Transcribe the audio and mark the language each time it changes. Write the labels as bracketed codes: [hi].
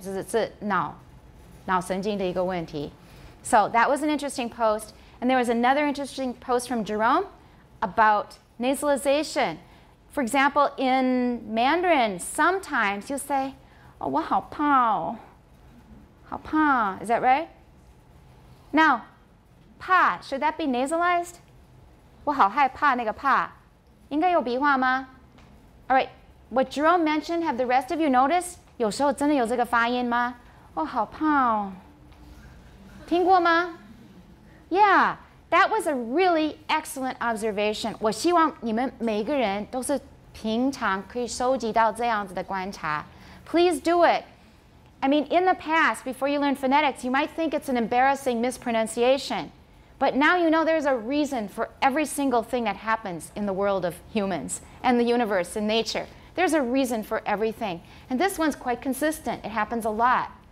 [zh] 就是是脑神经的一个问题。 [en] So that was an interesting post. And there was another interesting post from Jerome about nasalization. For example, in Mandarin, sometimes you'll say, oh, [zh] 我好胖哦。 [en] 好胖, is that right? Now, 怕, should that be nasalized? [zh] 我好害怕那个怕。应该有鼻化吗? [en] All right, what Jerome mentioned, have the rest of you noticed? [zh] 有时候真的有这个发音吗? 哦, 好胖哦。听过吗? [en] Yeah, that was a really excellent observation. [zh] 我希望你们每个人都是平常可以收集到这样子的观察。 [en] Please do it. I mean, in the past, before you learn phonetics, you might think it's an embarrassing mispronunciation. But now you know there's a reason for every single thing that happens in the world of humans and the universe and nature. There's a reason for everything. And this one's quite consistent. It happens a lot.